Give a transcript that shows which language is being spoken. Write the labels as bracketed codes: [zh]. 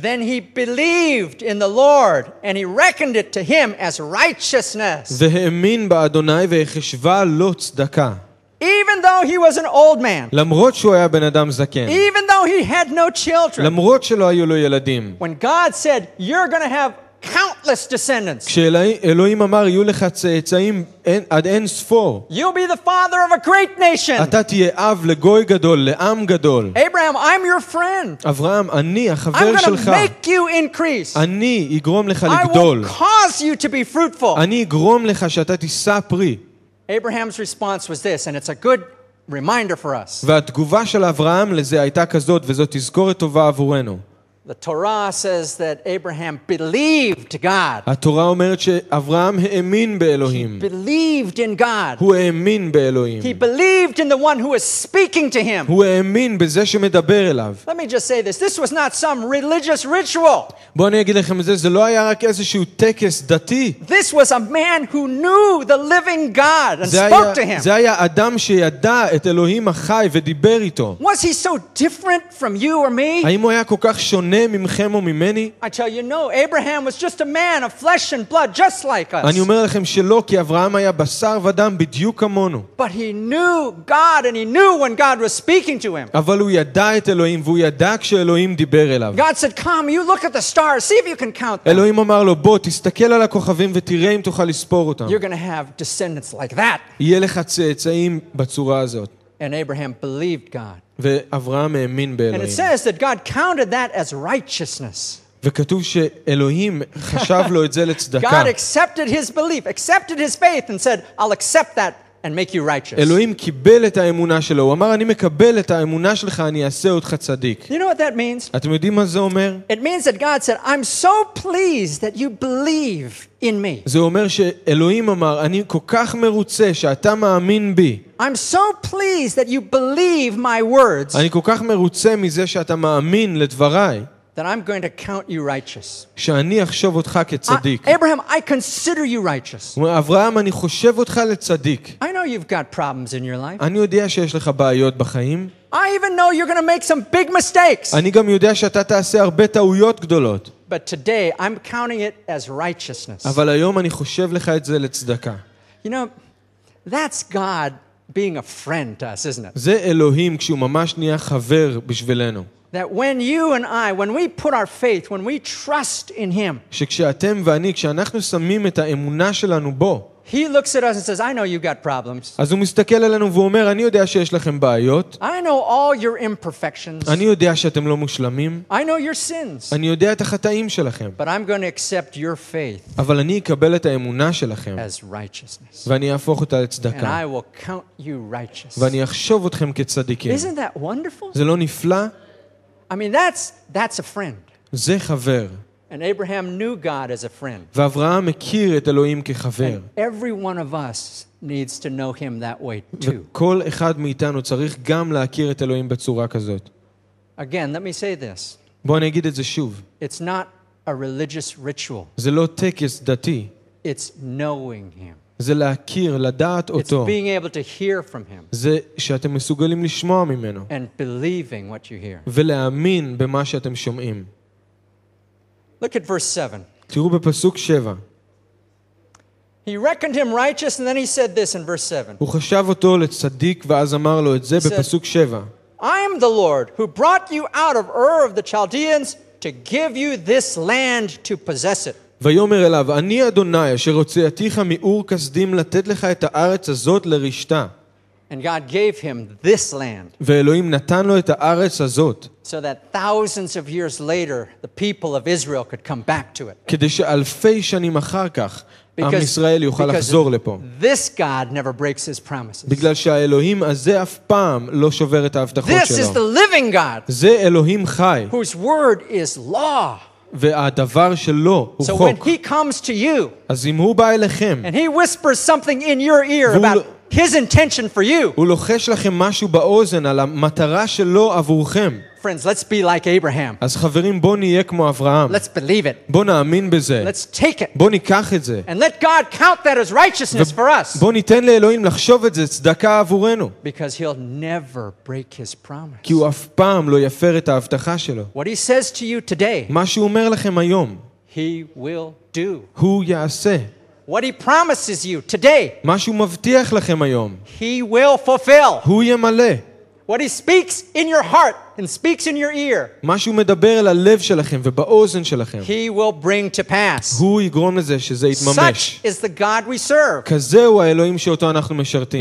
[en] Then he believed in the Lord and he reckoned it to him as righteousness. [he] והאמין באדוני והחשבה לו צדקה. [en] Even though he was an old man. [he] למרות שהוא היה בן אדם זקן. [en] Even though he had no children. [he] למרות שלא היו לו ילדים. [en] When God said you're going to have countless descendants. [he] כשאלוהים אמר יהיו לך צאצאים עד אין ספור. [en] You'll be the father of a great nation. [he] אתה תהיה אב לגוי גדול, לעם גדול. [en] Abraham, I'm your friend. [he] אברהם, אני החבר שלך. [en] I'm going to make you increase. [he] אני אגרום לך לגדול. [en] I will cause you to be fruitful. [he] אני אגרום לך שאתה תישא פרי. [en] Abraham's response was this, and it's a good reminder for us. [he] והתגובה של אברהם לזה הייתה כזאת, וזו תזכורת טובה עבורנו. [en] The Torah says that Abraham believed God. [he] התורה אומרת שאברהם האמין באלוהים. [en] He believed in God. [he] הוא האמין באלוהים. [en] He believed in the one who was speaking to him. [he] הוא האמין בזה שמדבר אליו. [en] Let me just say this. This was not some religious ritual. [he] בוא אני אגיד לכם את זה. זה לא היה רק איזשהו טקס דתי. [en] This was a man who knew the living God and spoke to him. [he] זה היה אדם שידע את אלוהים החי ודיבר איתו. [en] Was he so different from you or me? [he] האם הוא היה כל כך שונה ממכם או ממני. [en] I tell you, no, Abraham was just a man of flesh and blood, just like us. [he] אני אומר לכם שלא, כי אברהם היה בשר ודם בדיוק כמונו. [en] But he knew God and he knew when God was speaking to him. [he] אבל הוא ידע את אלוהים והוא ידע כשאלוהים דיבר אליו. [en] God said, come, you look at the stars, see if you can count them. [he] אלוהים אמר לו, בוא, תסתכל על הכוכבים ותראה אם תוכל לספור אותם. [en] You're going to have descendants like that. [he] יהיה לך צאצאים בצורה הזאת. [en] And Abraham believed God. [he] ואברהם האמין באלוהים. [en] And it says that God counted that as righteousness. [he] וכתוב שאלוהים חשב לו את זה לצדקה. [en] God accepted his belief, accepted his faith and said, I'll accept that and make you righteous. [he] אלוהים קיבל את האמונה שלו. הוא אמר, אני מקבל את האמונה שלך, אני אעשה אותך צדיק. [en] You know what that means? [he] אתם יודעים מה זה אומר? [en] It means that God said, I'm so pleased that you believe in me. [he] זה אומר שאלוהים אמר, אני כל כך מרוצה שאתה מאמין בי. [en] I'm so pleased that you believe my words. [he] אני כל כך מרוצה מזה שאתה מאמין לדבריי. [en] That I'm going to count you righteous. [he] שאני אחשוב אותך כצדיק. [en] Abraham, I consider you righteous. [he] אברהם, אני חושב אותך לצדיק. [en] I know you've got problems in your life. [he] אני יודע שיש לך בעיות בחיים. [en] I even know you're going to make some big mistakes. [he] אני גם יודע שאתה תעשה הרבה טעויות גדולות. [en] But today I'm counting it as righteousness. [he] אבל היום אני חושב לך את זה לצדקה. [en] You know, that's God being a friend to us, isn't it? [he] זה אלוהים כשהוא ממש נהיה חבר בשבילנו. [en] That when you and I, when we put our faith, when we trust in him, [he] שכשאתם ואני, כשאנחנו שמים את האמונה שלנו בו, [en] he looks at us and says, I know you've got problems. [he] אז הוא מסתכל עלינו ואומר, אני יודע שיש לכם בעיות. [en] I know all your imperfections. [he] אני יודע שאתם לא מושלמים. [en] I know your sins. [he] אני יודע את החטאים שלכם. [en] But I'm going to accept your faith. [he] אבל אני אקבל את האמונה שלכם. [en] As righteousness. [he] ואני אהפוך אותה לצדקה. [en] And I will count you righteous. [he] ואני אחשוב אתכם כצדיקים. [en] Isn't that wonderful? [he] זה לא נפלא? [en] I mean that's a friend. [he] זה חבר. [en] And Abraham knew God as a friend. [he] ואברהם הכיר את אלוהים כחבר. [en] And every one of us needs to know him that way too. [he] כל אחד מאיתנו צריך גם להכיר את אלוהים בצורה כזאת. [en] Again, let me say this. [he] בוא אני אגיד את זה שוב. [en] It's not a religious ritual. [he] זה לא טקס דתי. [en] It's knowing him. [he] זה להכיר, לדעת אותו. [en] It's being able to hear from him. [he] זה שאתם מסוגלים לשמוע ממנו. [en] And believing what you hear. [he] ולהאמין במה שאתם שומעים. [en] Look at verse 7. [he] תראו בפסוק 7. [en] He reckoned him righteous and then he said this in verse 7. [he] הוא חשב אותו לצדיק ואז אמר לו את זה בפסוק 7. [en] I am the Lord who brought you out of Ur of the Chaldeans to give you this land to possess it. [he] ויאמר אליו, אני אדוני אשר הוצאתיך מאור כסדים לתת לך את הארץ הזאת לרשתה. [en] And God gave him this land. [he] ואלוהים נתן לו את הארץ הזאת. [en] So that thousands of years later the people of Israel could come back to it. [he] כדי שאלפי שנים אחר כך עם ישראל יוכל לחזור לפה. [en] This God never breaks his promises. [he] בגלל שהאלוהים הזה אף פעם לא שובר את ההבטחות שלו. [en] This is the living God. [he] זה אלוהים חי. [en] Whose word is law. [he] והדבר שלו הוא חוק. [en] So when he comes to you. [he] אז אם הוא בא אליכם. [en] And he whispers something in your ear about his intention for you. [he] הוא לוחש לכם משהו באוזן על המטרה שלו עבורכם. [en] Friends, let's be like Abraham. [he] אז חברים, בוא נהיה כמו אברהם. [en] Let's believe it. [he] בוא נאמין בזה. [en] Let's take it. [he] בוא ניקח את זה. [en] And let God count that as righteousness for us. [he] בוא ניתן לאלוהים לחשוב את זה צדקה עבורנו. [en] Because he'll never break his promise. [he] כי הוא אף פעם לא יפר את ההבטחה שלו. [en] What he says to you today. [he] מה שהוא אומר לכם היום. [en] He will do. [he] הוא יעשה. [en] What he promises you today. [he] מה שהוא מבטיח לכם היום. [en] He will fulfill. [he] הוא ימלא. [en] What he speaks in your heart and speaks in your ear. [he] מה שהוא מדבר אל הלב שלכם ובאוזן שלכם. [en] He will bring to pass. [he] הוא יגרום לזה שזה יתממש. [en] Such is the God we serve. [he] כזה הוא האלוהים שאותו אנחנו משרתים.